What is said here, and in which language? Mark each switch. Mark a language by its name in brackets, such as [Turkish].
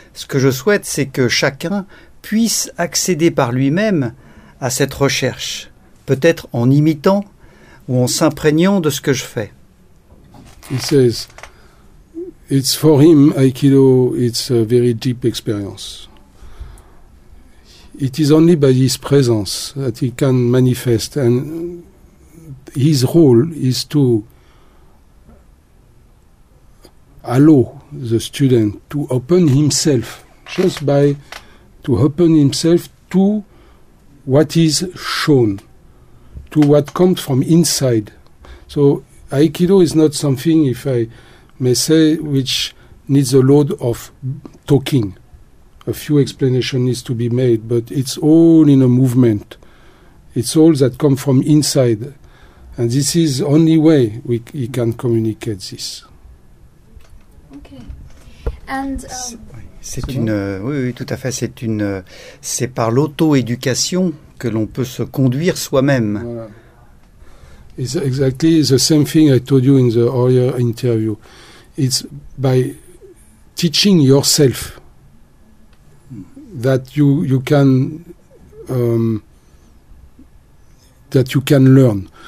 [French] Ce que je souhaite, c'est que chacun puisse accéder par lui-même à cette recherche, peut-être en imitant ou en s'imprégnant de ce que je fais. [English] He says, it's for him, Aikido, it's a very deep experience. It is only by his presence that he can manifest, and his role is to allow the student to open himself, just by to open himself to what is shown, to what comes from inside. So Aikido is not something, if I may say, which needs a load of talking. A few explanations needs to be made, but it's all in a movement. It's all that comes from inside. And this is the only way we can communicate this. Okay. And [French] c'est par l'auto-éducation que l'on peut se conduire soi-même. Voilà. [English] It's exactly the same thing I told you in the earlier interview. It's by teaching yourself that you can learn.